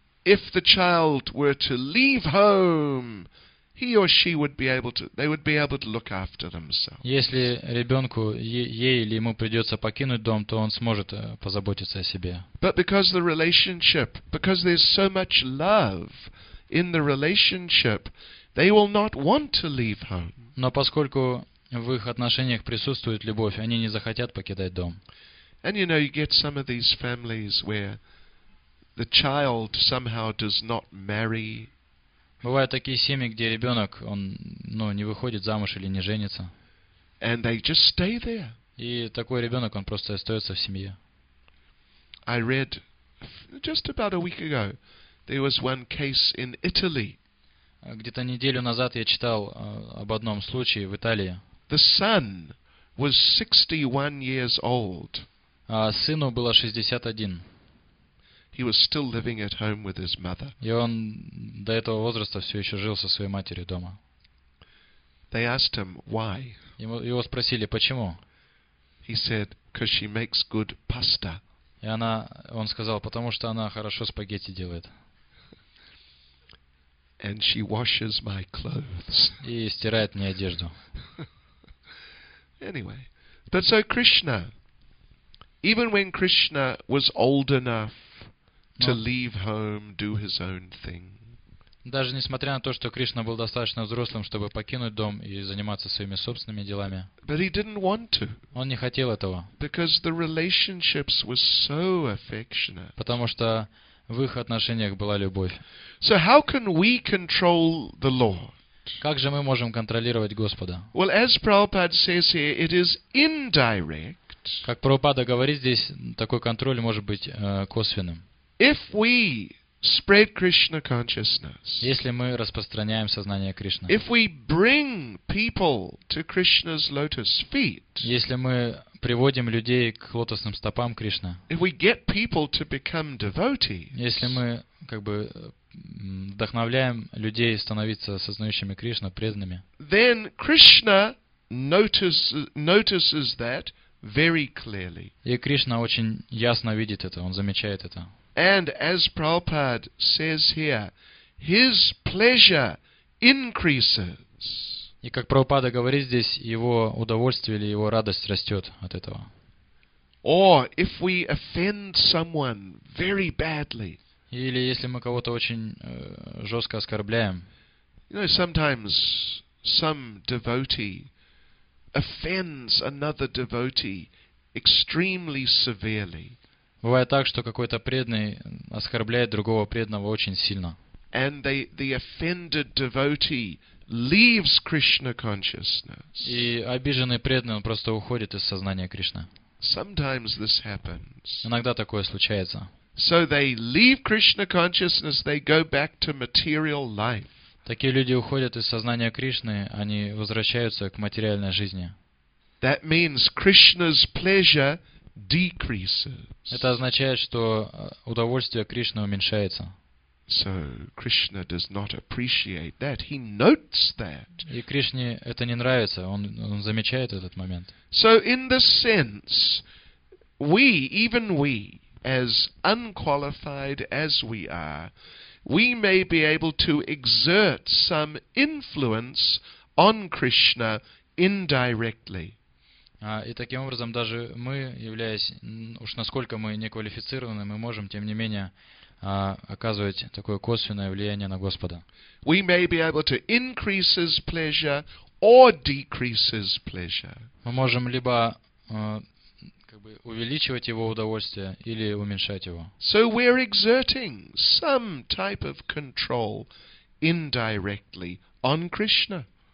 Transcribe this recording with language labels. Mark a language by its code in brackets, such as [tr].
[en] If the child were to leave home, he or she would be able to. They would be able to look after themselves. [ru] Если ребенку ей или ему придется покинуть дом, то он сможет позаботиться о себе. [en] But because the relationship, because there's so much love in the relationship, they will not want to leave home. [ru] Но поскольку в их отношениях присутствует любовь, они не захотят покидать дом. [en] And you know, you get some of these families where the child somehow does not marry. [ru] Бывают такие семьи, где ребенок, он не выходит замуж или не женится. [en] And they just stay there. [ru] И такой ребенок, он просто остается в семье. [en] I read just about a week ago, there was one case in Italy. [ru] Где-то неделю назад я читал об одном случае в Италии. [en] The son was 61 years old. [ru] А сыну было 61. [en] He was still living at home with his mother. [ru] И он до этого возраста все еще жил со своей матерью дома. [en] They asked him why. [ru] Его спросили почему. [en] He said, "Because she makes good pasta." [ru] И она, он сказал, потому что она хорошо спагетти делает. [en] And she washes my clothes. [ru] И стирает мне одежду. [en] Anyway, but so Krishna, even when Krishna was old enough to leave home, do his own thing. [ru] Даже несмотря на то, что Кришна был достаточно взрослым, чтобы покинуть дом и заниматься своими собственными делами. [en] But he didn't want to. [ru] Он не хотел этого. [en] Because the relationships were so affectionate. [ru] Потому что в их отношениях была любовь. [en] So how can we control the law? [ru] Как же мы можем контролировать Господа? [en] Well, as Prabhupada says here, it is indirect. [ru] Как Прабхупада говорит здесь, такой контроль может быть косвенным. [en] If we spread Krishna consciousness. [ru] Если мы распространяем сознание Кришны. [en] If we bring people to Krishna's lotus feet. [ru] Если мы приводим людей к лотосным стопам Кришны. [en] If we get people to become devotees. [ru] Если мы как бы вдохновляем людей становиться сознающими Кришну, преданными. [en] Then Krishna notices that very clearly. [ru] И Кришна очень ясно видит это, он замечает это. [en] And as Prabhupada says here, his pleasure increases. [ru] И как Прабхупада говорит здесь, его удовольствие или его радость растет от этого. [en] Or if we offend someone very badly. [ru] Или если мы кого-то очень жестко оскорбляем. [en] You know, sometimes some devotee offends another devotee extremely severely. [ru] Бывает так, что какой-то преданный оскорбляет другого преданного очень сильно. [en] And the offended devotee leaves Krishna consciousness. [ru] И обиженный преданный, он просто уходит из сознания Кришны. [en] Sometimes this happens. [ru] Иногда такое случается. [en] So they leave Krishna consciousness, they go back to material life. [ru] Такие люди уходят из сознания Кришны, они возвращаются к материальной жизни. [en] That means Krishna's pleasure decreases. [ru] Это означает, что удовольствие Кришны уменьшается. [en] So Krishna does not appreciate that. He notes that. [ru] И Кришне это не нравится, он замечает этот момент. [en] So in this sense, we, even we, as unqualified as we are, we may be able to exert some influence on Krishna indirectly. [ru] И таким образом, даже мы, являясь, уж насколько мы неквалифицированы, мы можем, тем не менее, оказывать такое косвенное влияние на Господа. [en] We may be able to increase his pleasure or decrease his pleasure. [ru] Мы можем либо как бы увеличивать его удовольствие или уменьшать его. [en] So we're exerting some type of control indirectly on Krishna.